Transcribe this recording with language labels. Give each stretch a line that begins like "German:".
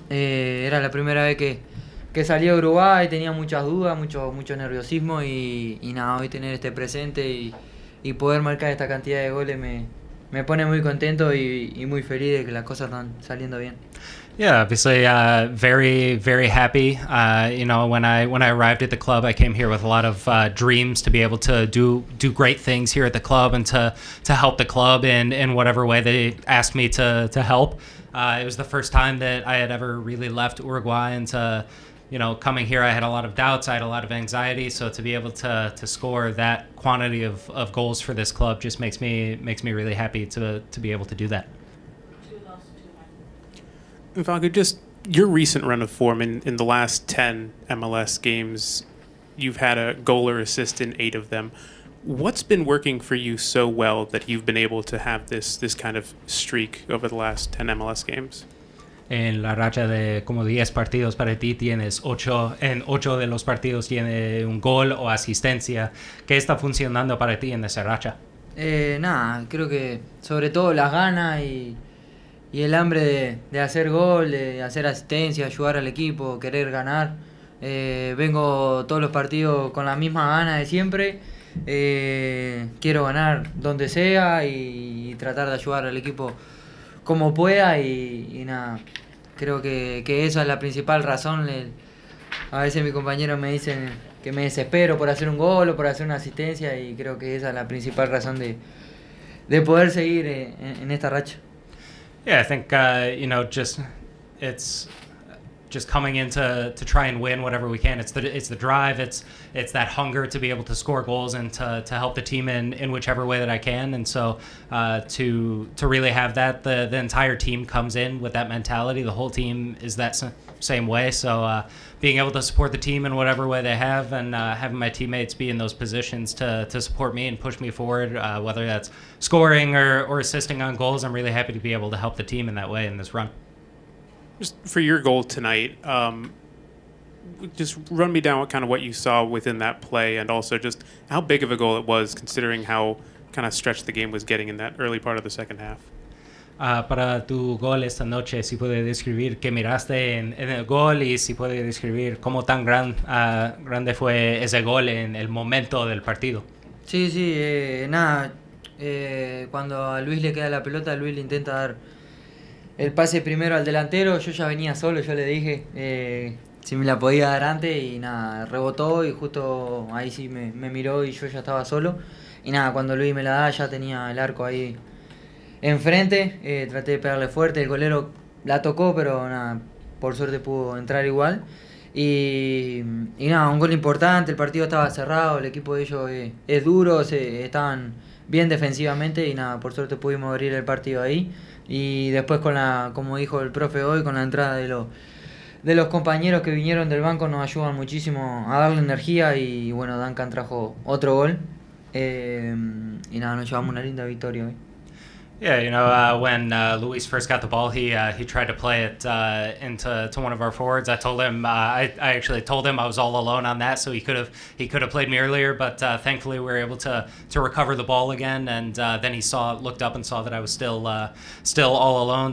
Spanish: Era la primera vez que salí a Uruguay, tenía muchas dudas, mucho nerviosismo y nada, hoy tener este presente y poder marcar esta cantidad de goles me pone muy contento y muy feliz de que las cosas están saliendo bien.
English: Yeah, obviously very, very happy. You know, when I arrived at the club, I came here with a lot of dreams to be able to do great things here at the club and to help the club in whatever way they asked me to help. It was the first time that I had ever really left Uruguay and to, you know, coming here, I had a lot of doubts, I had a lot of anxiety. So to be able to score that quantity of goals for this club just makes me really happy to be able to do that. Ivanka, just your recent run of form in the last 10 MLS games, you've had a goal or assist in 8 of them. What's been working for you so well that you've been able to have this kind of streak over the last 10 MLS games?
Spanish: En la racha de como 10 partidos para ti tienes 8, en 8 de los partidos tiene un gol o asistencia. ¿Qué está funcionando para ti en esa racha? Creo que sobre todo las ganas y el hambre de hacer gol, de hacer asistencia, ayudar al equipo, querer ganar. Vengo todos los partidos con la misma gana de siempre. Quiero ganar donde sea y tratar de ayudar al equipo como pueda y nada, creo que esa es la principal razón. A veces mis compañeros me dicen que me desespero por hacer un gol o por hacer una asistencia y creo que esa es la principal razón de poder seguir en esta racha.
English: Yeah, I think, you know, just it's just coming in to try and win whatever we can. It's the drive. It's that hunger to be able to score goals and to help the team in whichever way that I can. And so to really have that, the entire team comes in with that mentality. The whole team is that same way. So being able to support the team in whatever way they have, and having my teammates be in those positions to support me and push me forward, whether that's scoring or assisting on goals, I'm really happy to be able to help the team in that way in this run. Just for your goal tonight, just run me down what you saw within that play, and also just how big of a goal it was, considering how kind of stretched the game was getting in that early part of the second half.
Spanish: Para tu gol esta noche, si puede describir qué miraste en el gol, y si puede describir cómo tan grande fue ese gol en el momento del partido. Sí, sí, nada. Cuando a Luis le queda la pelota, Luis le intenta dar el pase primero al delantero. Yo ya venía solo, yo le dije si me la podía dar antes, y nada, rebotó y justo ahí sí me miró y yo ya estaba solo. Y nada, cuando Luis me la da, ya tenía el arco ahí enfrente, traté de pegarle fuerte, el golero la tocó, pero nada, por suerte pudo entrar igual. Y nada, un gol importante, el partido estaba cerrado, el equipo de ellos es duro, estaban bien defensivamente, y nada, por suerte pudimos abrir el partido ahí. Y después, como dijo el profe hoy, con la entrada de los compañeros que vinieron del banco, nos ayudan muchísimo a darle energía, y bueno, Duncan trajo otro gol, y nada, nos llevamos una linda victoria hoy.
English: Yeah, you know, when Luis first got the ball, he tried to play it into one of our forwards. I told him, I actually told him I was all alone on that, so he could have played me earlier. But thankfully, we were able to recover the ball again, and then he looked up and saw that I was still all alone.